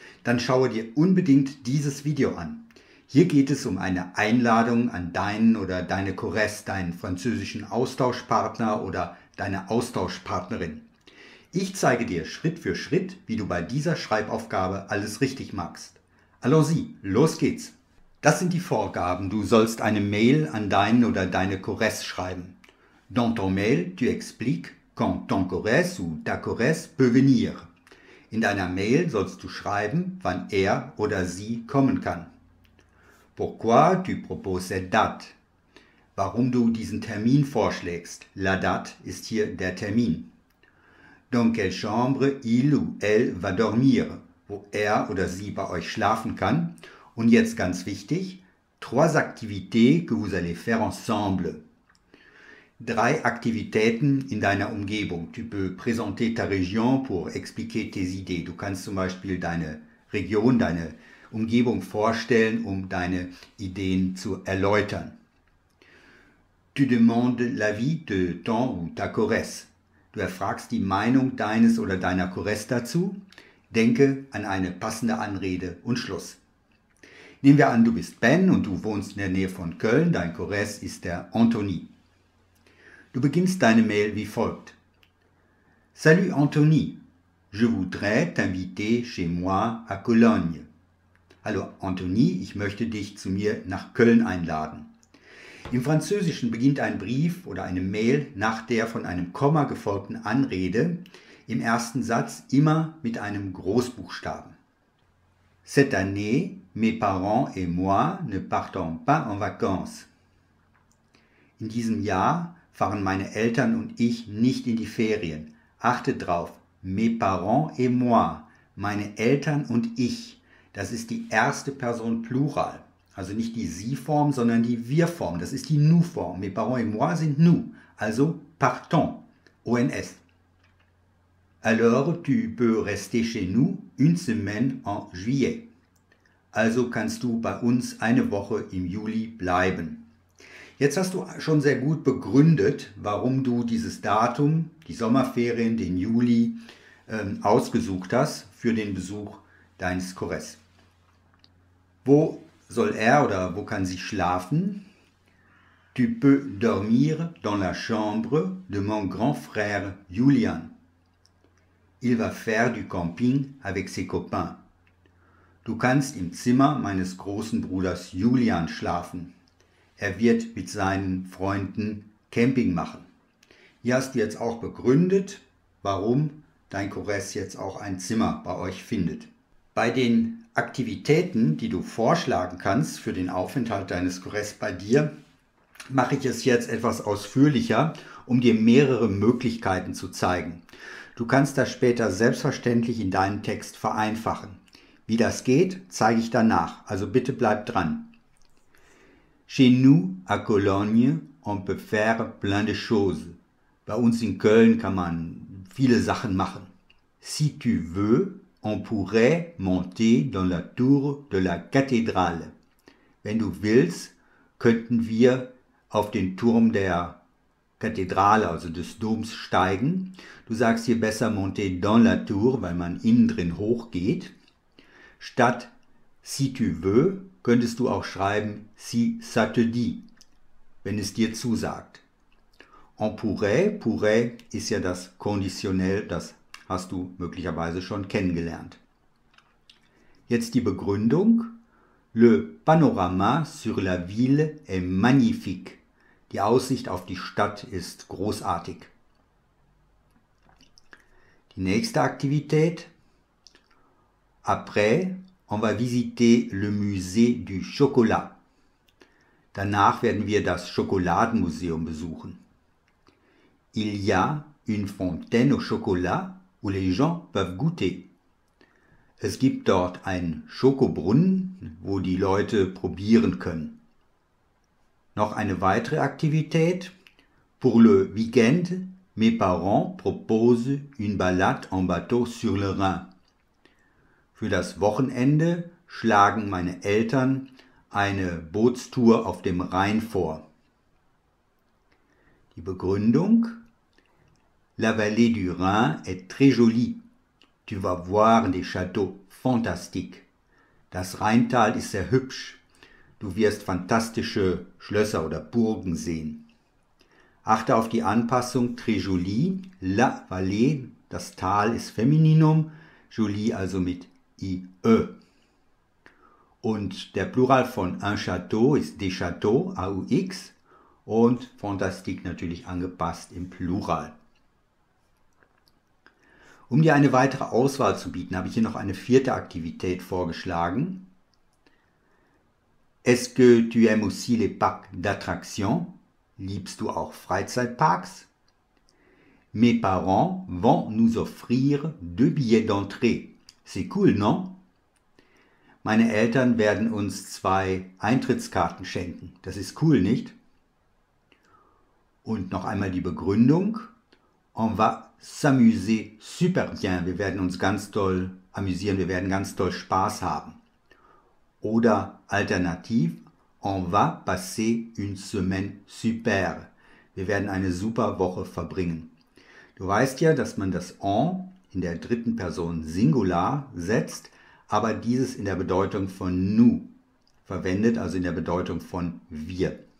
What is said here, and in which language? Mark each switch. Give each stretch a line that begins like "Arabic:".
German: Dann schaue dir unbedingt dieses Video an. Hier geht es um eine Einladung an deinen oder deine Corresse, deinen französischen Austauschpartner oder deine Austauschpartnerin. Ich zeige dir Schritt für Schritt, wie du bei dieser Schreibaufgabe alles richtig machst.
French: Allons-y,
German: los geht's! Das sind die Vorgaben. Du sollst eine Mail an deinen oder deine Corresse schreiben.
French: Dans ton mail, tu expliques quand ton Corresse ou ta Corresse peut venir.
German: In deiner Mail sollst du schreiben, wann er oder sie kommen kann.
French: Pourquoi tu proposes cette date?
German: Warum du diesen Termin vorschlägst?
French: La date
German: ist hier der Termin.
French: Dans quelle chambre il ou elle va dormir?
German: Wo er oder sie bei euch schlafen kann. Und jetzt ganz wichtig:
French: trois activités que vous allez faire ensemble.
German: Drei Aktivitäten in deiner Umgebung.
French: Tu peux présenter ta région pour expliquer tes idées.
German: Du kannst zum Beispiel deine Region, deine Umgebung vorstellen, um deine Ideen zu erläutern.
French: Tu demandes l'avis de ton ou ta Corresse.
German: Du erfragst die Meinung deines oder deiner Corresse dazu. Denke an eine passende Anrede und Schluss. Nehmen wir an, du bist Ben und du wohnst in der Nähe von Köln. Dein Corresse ist der Anthony. Du beginnst deine Mail wie folgt.
French: Salut Anthony, je voudrais t'inviter chez moi à Cologne.
German: Hallo Anthony, ich möchte dich zu mir nach Köln einladen. Im Französischen beginnt ein Brief oder eine Mail nach der von einem Komma gefolgten Anrede im ersten Satz immer mit einem Großbuchstaben.
French: Cette année, mes parents et moi ne partons pas en vacances.
German: In diesem Jahr fahren meine Eltern und ich nicht in die Ferien. Achte drauf,
French: mes parents et moi,
German: meine Eltern und ich. Das ist die erste Person Plural. Also nicht die Sie-Form, sondern die Wir-Form. Das ist die Nous-Form.
French: Mes parents et moi
German: sind nous, also partons, ONS.
French: Alors, tu peux rester chez nous une semaine en juillet.
German: Also kannst du bei uns eine Woche im Juli bleiben. Jetzt hast du schon sehr gut begründet, warum du dieses Datum, die Sommerferien, den Juli, ausgesucht hast für den Besuch deines Corres. Wo soll er oder wo kann sie schlafen?
French: Tu peux dormir dans la chambre de mon grand frère Julian. Il va faire du camping avec ses copains.
German: Du kannst im Zimmer meines großen Bruders Julian schlafen. Er wird mit seinen Freunden Camping machen. Hier hast du jetzt auch begründet, warum dein Corres jetzt auch ein Zimmer bei euch findet. Bei den Aktivitäten, die du vorschlagen kannst für den Aufenthalt deines Corres bei dir, mache ich es jetzt etwas ausführlicher, um dir mehrere Möglichkeiten zu zeigen. Du kannst das später selbstverständlich in deinem Text vereinfachen. Wie das geht, zeige ich danach. Also bitte bleib dran.
French: Chez nous, à Cologne, on peut faire plein de choses.
German: Bei uns in Köln kann man viele Sachen machen.
French: Si tu veux, on pourrait monter dans la tour de la cathédrale.
German: Wenn du willst, könnten wir auf den Turm der Kathedrale, also des Doms, steigen. Du sagst hier besser
French: monter dans la tour,
German: weil man innen drin hochgeht. Statt
French: si tu veux,
German: könntest du auch schreiben,
French: si ça te dit,
German: wenn es dir zusagt.
French: On pourrait,
German: pourrait ist ja das Konditionell, das hast du möglicherweise schon kennengelernt. Jetzt die Begründung.
French: Le panorama sur la ville est magnifique.
German: Die Aussicht auf die Stadt ist großartig. Die nächste Aktivität.
French: Après, on va visiter le musée du chocolat.
German: Danach werden wir das Schokoladenmuseum besuchen.
French: Il y a une fontaine au chocolat où les gens peuvent goûter.
German: Es gibt dort einen Schokobrunnen, wo die Leute probieren können. Noch eine weitere Aktivität.
French: Pour le week-end, mes parents proposent une balade en bateau sur le Rhin.
German: Für das Wochenende schlagen meine Eltern eine Bootstour auf dem Rhein vor. Die Begründung:
French: La vallée du Rhin est très jolie. Tu vas voir des châteaux fantastiques.
German: Das Rheintal ist sehr hübsch. Du wirst fantastische Schlösser oder Burgen sehen. Achte auf die Anpassung
French: très jolie, la vallée,
German: das Tal ist Femininum, jolie also mit IE. Und der Plural von
French: un château
German: ist
French: des châteaux,
German: AUX, und fantastique natürlich angepasst im Plural. Um dir eine weitere Auswahl zu bieten, habe ich hier noch eine vierte Aktivität vorgeschlagen.
French: Est-ce que tu aimes aussi les parcs d'attractions?
German: Liebst du auch Freizeitparks?
French: Mes parents vont nous offrir deux billets d'entrée. C'est cool, non?
German: Meine Eltern werden uns zwei Eintrittskarten schenken. Das ist cool, nicht? Und noch einmal die Begründung.
French: On va s'amuser super bien.
German: Wir werden uns ganz doll amüsieren. Wir werden ganz doll Spaß haben. Oder alternativ,
French: on va passer une semaine super.
German: Wir werden eine super Woche verbringen. Du weißt ja, dass man das en in der dritten Person Singular setzt, aber dieses in der Bedeutung von nous verwendet, also in der Bedeutung von wir.